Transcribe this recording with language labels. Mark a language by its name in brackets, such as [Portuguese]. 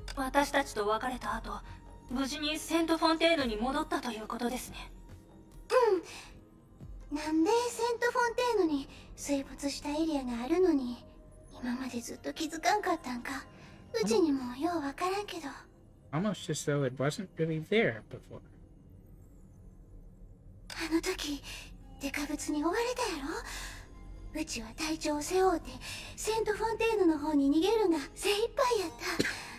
[Japanese] 私たちと別れた後、無事にセントフォンテーヌに戻ったということですね。うん。なんでセントフォンテーヌに水没したエリアがあるのに今までずっと気づかんかったんか、うちにもようわからんけど。 [English] Almost as though it wasn't really there before. [Japanese] あの時、デカブツに追われたやろ。うちは隊長を背負ってセントフォンテーヌの方に逃げるが精一杯やった。